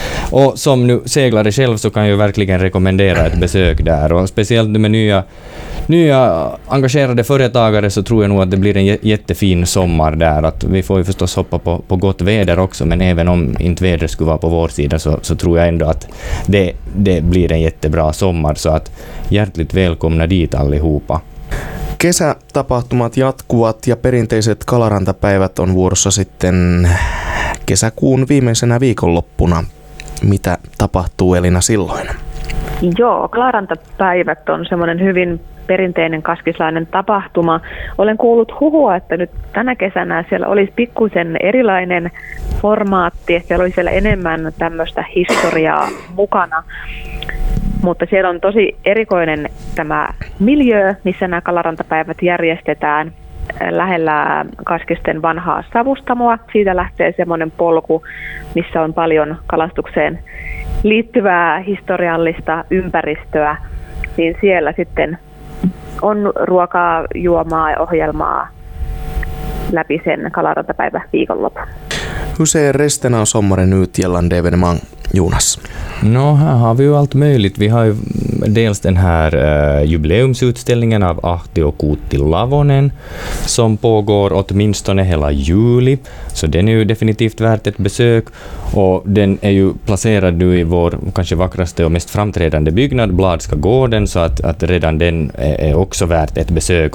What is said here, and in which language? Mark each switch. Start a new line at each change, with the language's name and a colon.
Swedish: Och som nu seglare själv så kan jag ju verkligen rekommendera ett besök där, och speciellt med nya engagerade företagare, så tror jag nog att det blir en jättefin sommar där. Att vi får ju förstås hoppa på gott väder också, men även om inte väder skulle vara på vår sida, så tror jag ändå att det blir en jättebra sommar. Så att hjärtligt välkomna dit allihopa.
Finnish: Kesätapahtumat jatkuvat ja perinteiset kalarantapäivät on vuorossa sitten kesäkuun viimeisenä viikonloppuna. Mitä tapahtuu, Elina, silloin? Joo, kalarantapäivät on semmoinen hyvin perinteinen kaskislainen tapahtuma. Olen kuullut huhua, että nyt tänä kesänä siellä olisi pikkuisen erilainen formaatti, että siellä oli siellä enemmän tämmöistä historiaa mukana. Mutta siellä on tosi erikoinen tämä miljöö, missä nämä kalarantapäivät järjestetään lähellä Kaskisten vanhaa savustamoa. Siitä lähtee semmoinen polku, missä on paljon kalastukseen liittyvää historiallista ympäristöä. Niin siellä sitten on ruokaa, juomaa ja ohjelmaa läpi sen kalarantapäivän viikonlopun.
Swedish: Hur ser resten av sommaren ut gällande evenemang, Jonas? No, här har vi ju allt möjligt. Vi har ju dels den här jubileumsutställningen av Ahti och Kuutti Lavonen som pågår åtminstone hela juli. Så den är ju definitivt värt ett besök. Och den är ju placerad nu i vår kanske vackraste och mest framträdande byggnad, Bladska gården, så att redan den är också värt ett besök.